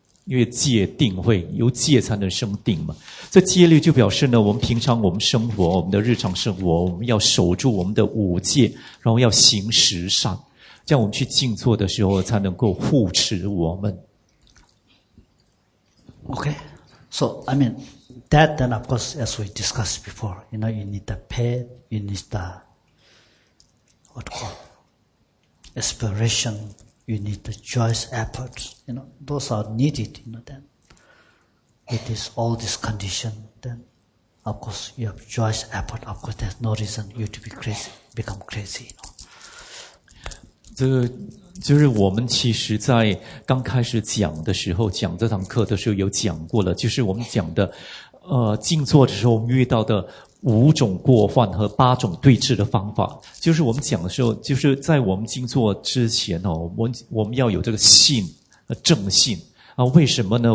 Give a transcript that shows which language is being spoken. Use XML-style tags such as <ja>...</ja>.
<zh>因为戒定慧，由戒才能生定嘛。这戒律就表示呢，我们平常我们生活，我们的日常生活，我们要守住我们的五戒，然后要行十善，这样我们去静坐的时候才能够护持我们。</zh> <en>Okay, so I mean that. Then of course, as we discussed before, you know, you need the path, you need the what call aspiration. You need the joyous effort, you know, those are needed, you know, then. It is all this condition, then, of course, you have joyous effort, of course, there's no reason you to be crazy, become crazy, you know.</en> <zh>这就是我们其实在刚开始讲的时候，讲这堂课的时候有讲过了，就是我们讲的静坐的时候遇到的5种过患和8种对治的方法，就是我们讲的时候，就是在我们静坐之前哦，我们要有这个信，正信啊。为什么呢？</zh>